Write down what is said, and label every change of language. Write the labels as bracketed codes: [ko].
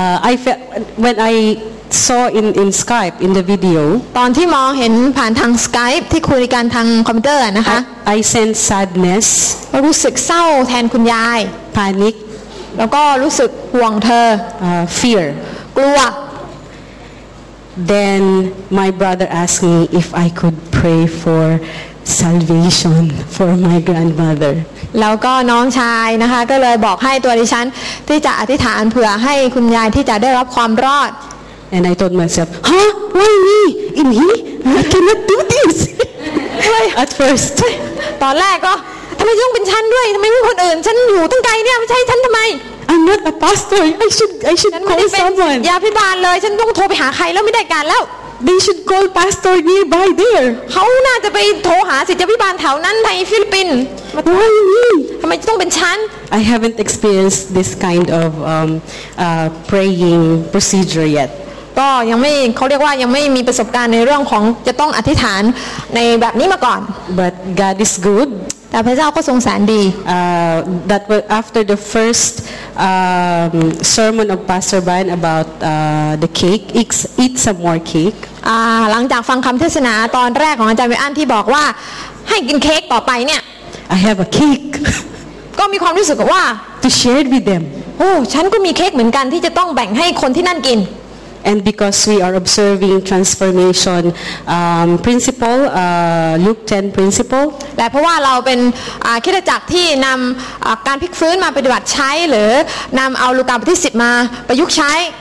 [en] I felt when I saw in Skype in the video. [th] ตอนที่มองเห็นผ่านทาง Skype ที่คุยกันทางคอมพิวเตอร์นะคะ [en] I sense sadness. [th] รู้สึกเศร้าแทนคุณยาย [en] Panic. [th] แล้วก็รู้สึกห่วงเธอ [en] Fear. [th] กลัว [en] Then my brother asked me if I could pray for. Salvation for my grandmother. [th] แล้วก็น้องชายนะคะก็เลยบอกให้ตัวดิฉันที่จะอธิษฐานเผื่อให้คุณยายที่จะได้รับความรอด [en] And I told myself, huh? Why me? In me? I cannot do this. At first. [th] ตอนแรกก็ทำไมต้องเป็นฉันด้วยทำไมไม่คนอื่นฉันอยู่ตั้งไกลเนี่ยไม่ใช่ฉันทำไม [en] I'm not a pastor. I should call someone. [th] ยาพิบาลเลยฉันต้องโทรไปหาใครแล้วไม่ได้การแล้ว [en] They should call pastor nearby there. [th] เขาน่าจะไปโทรหาศิษยาภิบาลแถวนั้นในฟิลิปปินส์ [en] Why me? [th] ทำไมต้องเป็นฉัน [en] I haven't experienced this kind of praying procedure yet. [th] ก็ยังไม่เขาเรียกว่ายังไม่มีประสบการณ์ในเรื่องของจะต้องอธิษฐานในแบบนี้มาก่อน [en] but God is good [th] แต่พระเจ้าก็ทรงแสนดี [en] that was after the firstsermon of Pastor Brian about the cake eat some more cake [th] หลังจากฟังคำเทศนาตอนแรกของอาจารย์ไบอันที่บอกว่าให้กินเค้กต่อไปเนี่ย [en] I have a cake [th] ก็มีความรู้สึกว่า [en] to share it with them [th] โอ้ฉันก็มีเค้กเหมือนกันที่จะต้องแบ่งให้คนที่นั่นกิน [en] and because we are observing transformation principle Luke 10 principle [th] และเพราะว่าเราเป็นคริสตจักรที่นำการพลิกฟื้นมาปฏิบัติใช้หรือนำเอาลูกาบทที่10มาประยุกต์ใช้